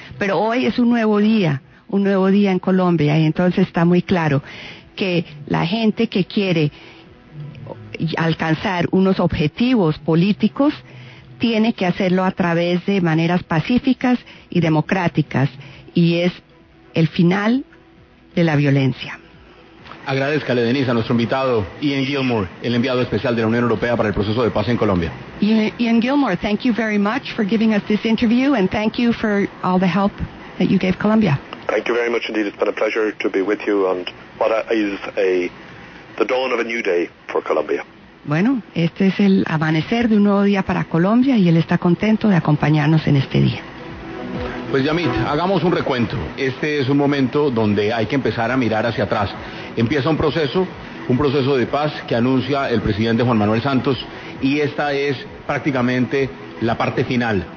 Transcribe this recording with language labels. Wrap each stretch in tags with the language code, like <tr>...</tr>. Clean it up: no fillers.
<es>Pero hoy es un nuevo día en Colombia, y entonces está muy claro que la gente que quiere alcanzar unos objetivos políticos tiene que hacerlo a través de maneras pacíficas y democráticas, y es el final de la violencia. Agradezcale, Denise, a nuestro invitado Ian Gilmore, el enviado especial de la Unión Europea para el proceso de paz en Colombia.</es> <en>Ian Gilmore, thank you very much for giving us this interview, and thank you for all the help that you gave Colombia. Thank you very much indeed. It's been a pleasure to be with you on what is the dawn of a new day for Colombia.</en> <es>Bueno, este es el amanecer de un nuevo día para Colombia, y él está contento de acompañarnos en este día. Pues Yamit, hagamos un recuento. Este es un momento donde hay que empezar a mirar hacia atrás. Empieza un proceso de paz que anuncia el presidente Juan Manuel Santos, y esta es prácticamente la parte final.</es>